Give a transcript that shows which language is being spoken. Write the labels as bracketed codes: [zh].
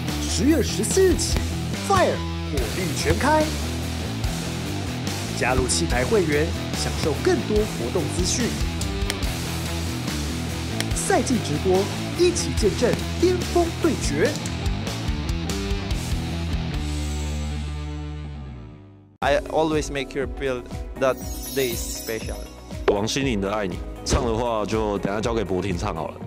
[zh] 10月14日起 ，Fire 火力全开，加入企排会员，享受更多活动资讯。赛季直播，一起见证巅峰对决。 [en] I always make you feel that day is special。 [zh] 王心凌的《爱你》，唱的话就等下交给博婷唱好了。